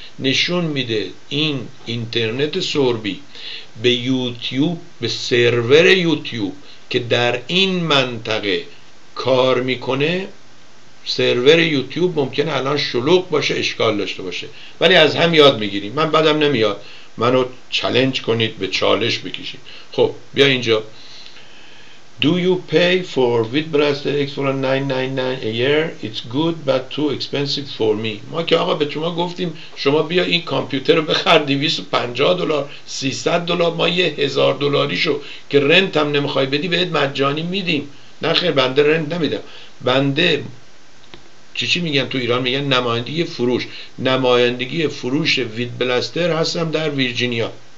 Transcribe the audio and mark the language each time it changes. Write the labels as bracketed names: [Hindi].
[Persian] نشون میده این اینترنت سربی به یوتیوب، به سرور یوتیوب که در این منطقه کار میکنه، سرور یوتیوب ممکنه الان شلوغ باشه، اشکال داشته باشه، ولی از هم یاد میگیریم. من بعدم نمیاد منو چالش کنید، به چالش بکشید. خب بیا اینجا. [English] Do you pay for Vidblaster X499 a year? It's good but too expensive for me. [Persian] ما که آقا به شما گفتیم شما بیا این کامپیوتر رو بخر $250، $300، ما یه $1000 که رنت هم نمیخوای بدی بهت مجانی میدیم. نه خیر بنده رنت نمیدم، بنده چی میگن تو ایران، میگن نمایندگی فروش، نمایندگی فروش Vidblaster هستم در ویرجینیا.